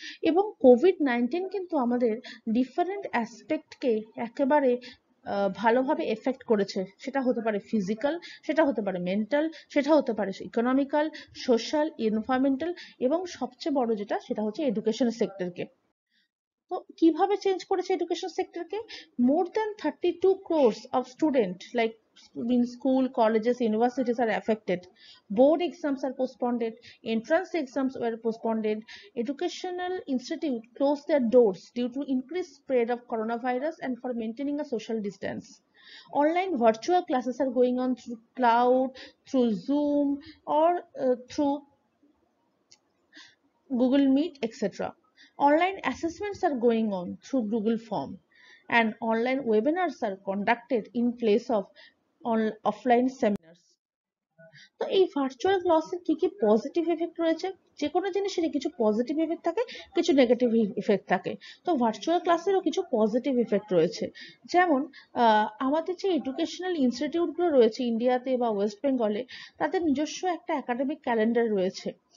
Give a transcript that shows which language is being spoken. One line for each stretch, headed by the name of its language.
Bangla: এবং Covid nineteen কিন্তু আমাদের ডিফারেন্ট অ্যাসপেক্টকে একেবারে ভালোভাবে এফেক্ট করেছে। সেটা হতে পারে ফিজিক্যাল, সেটা হতে পারে মেন্টাল, সেটা হতে পারে ইকোনমিক্যাল, সোশ্যাল, এনভায়রনমেন্টাল এবং সবচেয়ে বড় যেটা সেটা হচ্ছে এডুকেশন সেক্টরকে। তো কিভাবে চেঞ্জ করেছে education সেক্টরকে?
English: More than 32 crores of student like in school, colleges, universities are affected. Board exams are postponed. Entrance exams were postponed. Educational institute closed their doors due to increased spread of coronavirus and for maintaining a social distance. Online virtual classes are going on through cloud, through Zoom or through Google Meet, etc. Online assessments are going on through Google Form and online webinars are conducted in place of offline seminars.
Bangla: তো এই virtual ক্লাসের কি কি positive effect রয়েছে? যে কোনো জিনিসেরই কিছু পজিটিভ এফেক্ট থাকে, কিছু নেগেটিভ ইফেক্ট থাকে। তো ভার্চুয়াল ক্লাসেরও কিছু পজিটিভ ইফেক্ট রয়েছে। যেমন আমাদের যে এডুকেশনাল ইনস্টিটিউটগুলো রয়েছে ইন্ডিয়াতে বা ওয়েস্ট বেঙ্গলে, তাদের নিজস্ব একটা একাডেমিক ক্যালেন্ডার রয়েছে।